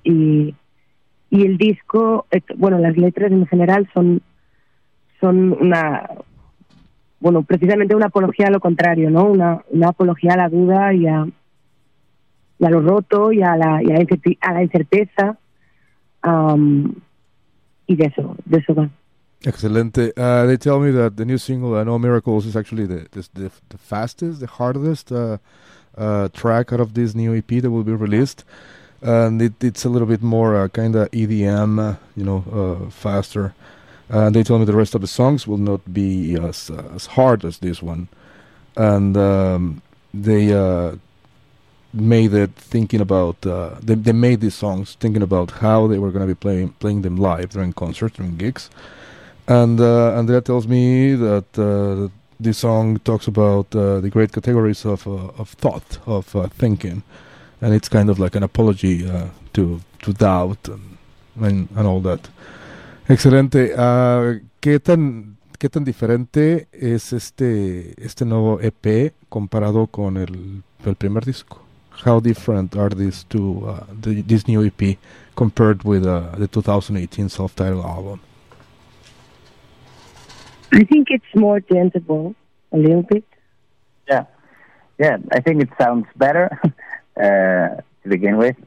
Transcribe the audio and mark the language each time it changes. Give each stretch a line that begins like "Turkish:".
Spanish: Y el disco, bueno, las letras en general son una, bueno, precisamente una apología a lo contrario, ¿no? Una apología a la duda y a lo roto y a la incerteza. Y de eso va. Excelente.
English: They tell me that the new single, No Miracles, is actually the fastest, the hardest track out of this new EP that will be released. And it's a little bit more kind of EDM, faster. And they told me the rest of the songs will not be as hard as this one. And they made these songs thinking about how they were going to be playing them live during concerts, during gigs. And Andrea tells me that this song talks about the great categories of thought, of thinking. And it's kind of like an apology to doubt and all that.
Spanish: Excelente. ¿Qué tan diferente es este nuevo EP comparado con el primer disco?
English: How different are these two, this new EP compared with the 2018 self-titled album? I think it's more tangible, a little bit. Yeah, I think it sounds better to begin with.